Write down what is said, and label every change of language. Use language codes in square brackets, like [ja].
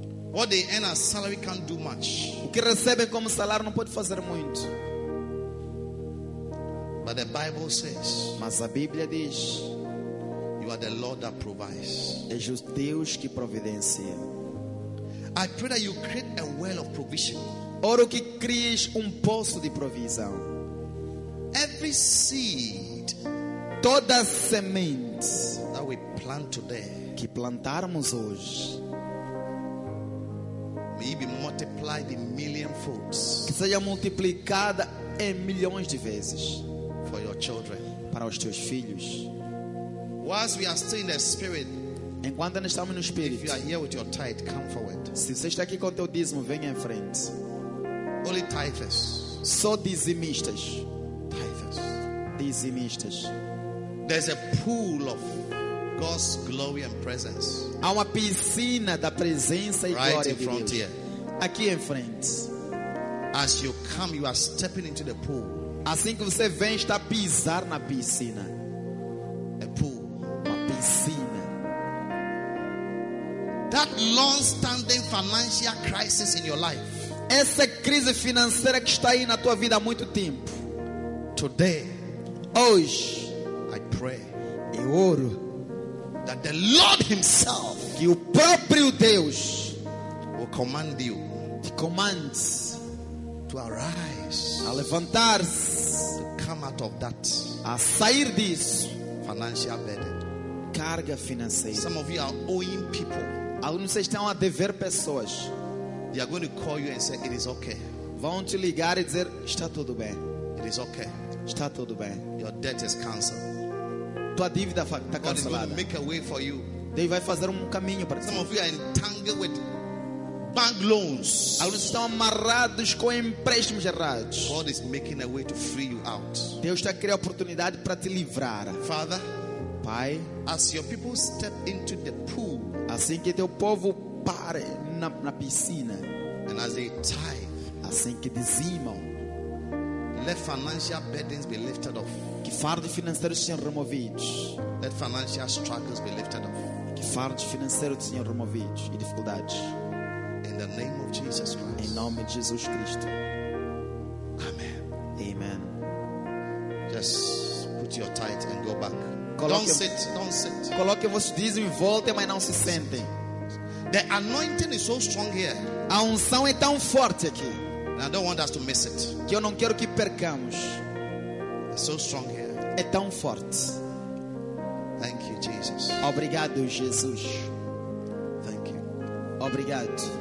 [en] What they earn as salary can't do much. [pt] O que recebem como salário não pode fazer muito. [en] But the Bible says, [pt] mas a Bíblia diz, [en] you are the Lord that provides. [pt] És o Deus que providencia. [en] I pray that you create a well of provision. [pt] Oro que cries poço de provisão. [en] Every seed, [pt] toda semente [en] that we plant today, [pt] que plantarmos hoje, [en] may be multiplied in million folds, [pt] que seja multiplicada em milhões de vezes, [en] for your children, [pt] para os teus filhos. [en] Whilst we are still in the spirit, [pt] Enquanto nós estamos no espírito. [en] If you are here with your tithe, come forward. [pt] Se você está aqui com teu dízimo, venha em frente. [en] Only tithers. [pt] Só dizimistas. [en] Tithers. [pt] Dizimistas. [en] There's a pool of God's glory and presence. [pt] Há uma piscina da presença e [en] right [pt] glória [en] in front [pt] de Deus. [en] Here. [pt] Aqui em frente. [en] As you come, you are stepping into the pool. [pt] Assim que você vem, está a pisar na piscina. [en] A pool. [pt] Uma piscina. [en] That long-standing financial crisis in your life. [pt] Essa crise financeira que está aí na tua vida há muito tempo. [en] Today. [pt] Hoje. [en] I pray. [pt] Eu oro. [en] That the Lord himself. [pt] Que o próprio Deus. [en] Will command you. [pt] Te comandes. [en] To arise, [pt] a levantar-se, [en] to come out of that, [pt] a sair disso, [en] financial burden, [pt] carga financeira. [en] Some of you are owing people. [pt] Alguns de vocês estão a dever pessoas. [en] They are going to call you and say it is okay. [pt] Vão te ligar e dizer está tudo bem. [en] It is okay. [pt] Está tudo bem. [en] Your debt is cancelled. [pt] Tua dívida está cancelada. [en] God is going to make a way for you. [pt] Deus vai fazer caminho para ti. [en] Some of you are entangled with bank loans. [pt] Alguns estão amarrados com empréstimos errados. [en] God is making a way to free you out. [pt] Deus está a criar oportunidade para te livrar. [en] Father, [pt] Pai, [en] as your people step into the pool, [pt] assim que teu povo pare na piscina, [en] and as they tithe, [pt] assim que dizimam, [en] let financial burdens be lifted off. [pt] Que fardos financeiros sejam removidos. [en] Let financial struggles be lifted off. [pt] Que fardos financeiros sejam removidos e dificuldades. [en] In the name of Jesus Christ. [pt] Em nome de Jesus Cristo. [en] Amen. [pt] Amen. [en] Just put your tithe and go back. Don't sit. [pt] Coloque vosso dízimo e volte, mas não se sentem. [en] The anointing is so strong here. [pt] A unção é tão forte aqui. [en] And I don't want us to miss it. [pt] Que eu não quero que percamos. [en] It's so strong here. [pt] É tão forte. [en] Thank you, Jesus. [pt] Obrigado, Jesus. [en] Thank you. [pt] Obrigado.